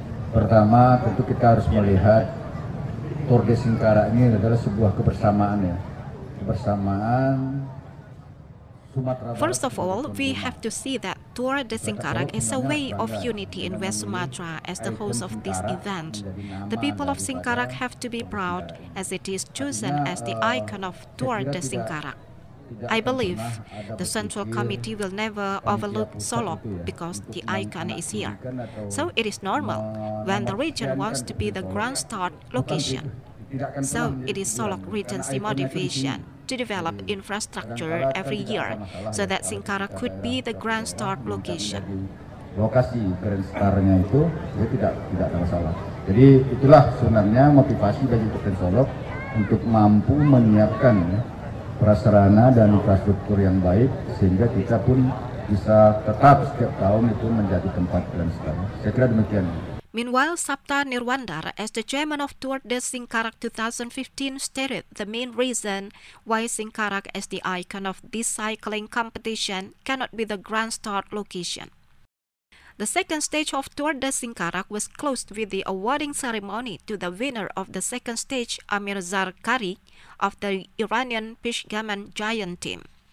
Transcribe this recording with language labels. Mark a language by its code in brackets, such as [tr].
[id] Pertama tentu kita harus melihat Tour de Singkarak ini adalah sebuah kebersamaan ya. Kebersamaan Sumatera. [en] First of all, we have to see that Tour de Singkarak is a way of unity in West Sumatra as the host of this event. The people of Singkarak have to be proud as it is chosen as the icon of Tour de Singkarak. I believe the Central Committee will never overlook Solok because the icon is here. So it is normal when the region wants to be the grand start location. So it is Solok Regency motivation to develop infrastructure every year so that Singkara could be the grand start location. [id] Lokasi grand startnya itu dia tidak masalah. Jadi itulah sebenarnya motivasi bagi Kabupaten Solok untuk mampu menyiapkan prasarana dan infrastruktur yang baik sehingga kita pun bisa tetap setiap tahun itu menjadi tempat grand start. Saya kira demikian. [en] Meanwhile, Sapta Nirwandar, as the chairman of Tour de Singkarak 2015, stated the main reason why Singkarak as the icon of this cycling competition cannot be the grand start location. The second stage of Tour de Singkarak was closed with the awarding ceremony to the winner of the second stage, Amir Zarkari, of the Iranian Pishgaman Giant team.